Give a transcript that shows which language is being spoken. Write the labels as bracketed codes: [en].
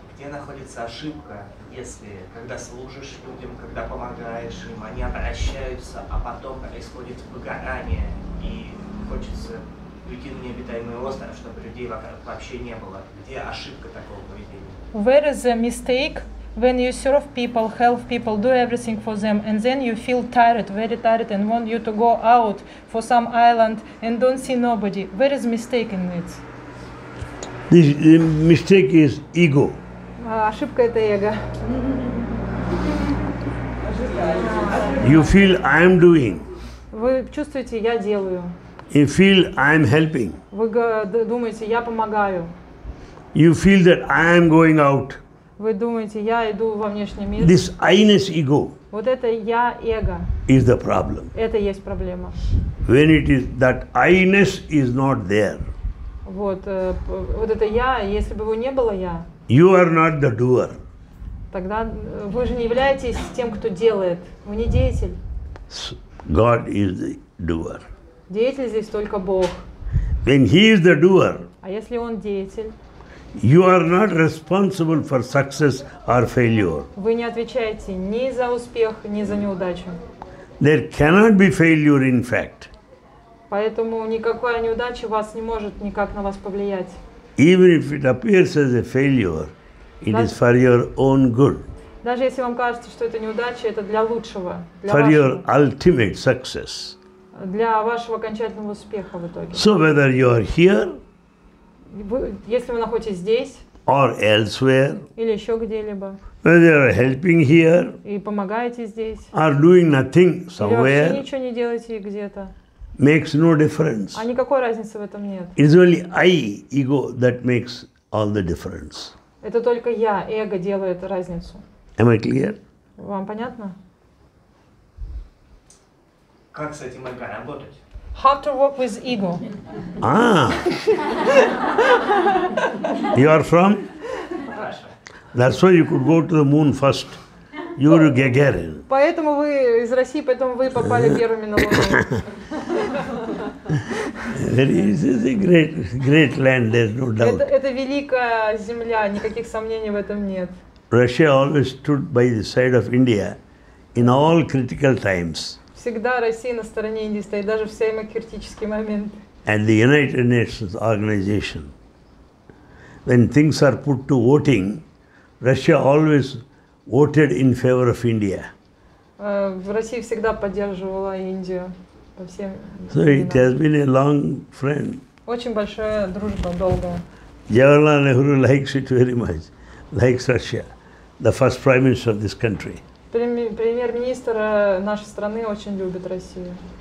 [ru] Где находится ошибка, если когда служишь людям, когда помогаешь им, они обращаются, а потом происходит выгорание и хочется уйти на необитаемый остров, чтобы людей вокруг вообще не было? Где ошибка такого поведения? [en] Where is the mistake when you serve people, help people, do everything for them, and then you feel tired, very tired, and want you to go out for some island and don't see nobody. Where is mistake in it? This mistake is ego. [ru] Ошибка это эго. [en] You feel I am doing. [ru] Вы чувствуете, я делаю. [en] You feel I am helping. [ru] Вы думаете, я помогаю. [en] You feel that I am going out. [ru] Вы думаете, я иду во внешний мир. [en] This I-ness ego. [ru] Вот это я эго. [en] Is the problem. [ru] Это есть проблема. [en] When it is that I-ness is not there. [ru] Вот это я, если бы его не было я. [en] You are not the doer. [ru] Тогда вы же не являетесь тем, кто делает. Вы не деятель. [en] God is the doer. [ru] Деятель здесь только Бог. [en] When he is the doer. [ru] А если он деятель? [en] You are not responsible for success or failure. [ru] Вы не отвечаете ни за успех, ни за неудачу. [en] There cannot be failure, in fact. [ru] Поэтому никакая неудача вас не может никак на вас повлиять. [en] Even if it appears as a failure, it is for your own good. [ru] Даже если вам кажется, что это неудача, это для лучшего. [en] For your ultimate success. [ru] Для вашего окончательного успеха в итоге. [en] So whether you are here. [ru] Если вы находитесь здесь, [en] or elsewhere, [ru] или еще где-либо, [en] whether you are helping here, [ru] и помогаете здесь, [en] or doing nothing somewhere, [ru] или вообще ничего не делаете где-то, [en] makes no difference. [ru] А никакой разницы в этом нет. [en] It's only I, ego, that makes all the difference. [ru] Это только я, эго, делает разницу. [en] Am I clear? [ru] Вам понятно? Как с этим эго работать? [en] How to work with ego? You are from? Russia. That's why you could go to the moon first. Yuri Gagarin. [ru] Поэтому вы из России, поэтому вы попали первыми на Луну. [en] This is a great, great land. There's no doubt. [ru] Это великая земля. Никаких сомнений в этом нет. [en] Russia always stood by the side of India in all critical times. [ru] Всегда Россия на стороне Индии стоит, даже в самый критический момент. [en] And the United Nations organization, when things are put to voting, Russia always voted in favor of India. [ru] В России всегда поддерживала Индию по всем. [en] So it has been a long friend. [ru] Очень большая дружба, долгая. [en] Jawaharlal Nehru likes it very much, likes Russia, the first prime minister of this country. [ru] Премьер-министр нашей страны очень любит Россию.